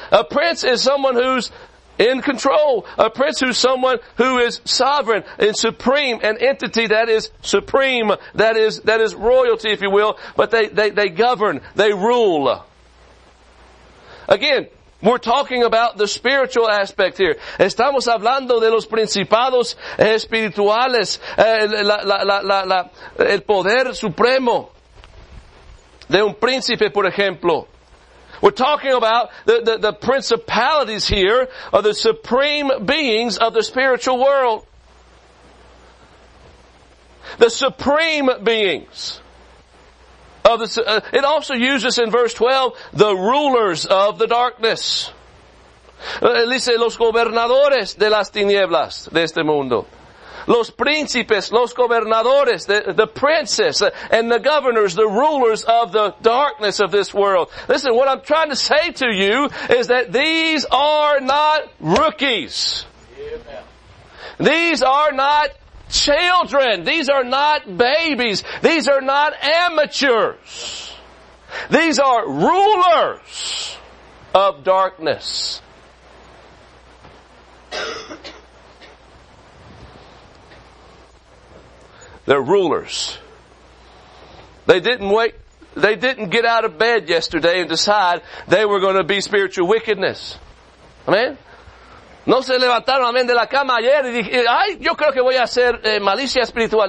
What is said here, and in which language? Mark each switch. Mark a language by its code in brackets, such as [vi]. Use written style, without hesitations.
[en] A prince is someone who's in control. A prince who's someone who is sovereign and supreme, an entity that is supreme, that is royalty, if you will, but they govern, they rule. Again, we're talking about the spiritual aspect here. [es] Estamos hablando de los principados espirituales, el poder supremo de un príncipe, por ejemplo. [en] We're talking about the principalities here are the supreme beings of the spiritual world. The supreme beings. It also uses in verse 12, the rulers of the darkness. [es] Dice los gobernadores de las tinieblas de este mundo. Los príncipes, los gobernadores, [en] the princes and the governors, the rulers of the darkness of this world. Listen, what I'm trying to say to you is that these are not rookies. Amen. These are not children. These are not babies. These are not amateurs. These are rulers of darkness. They're rulers. They didn't get out of bed yesterday and decide they were going to be spiritual wickedness. Amen. [es] No se levantaron, amén, de la cama ayer y dije, ay, yo creo que voy a hacer malicia espiritual.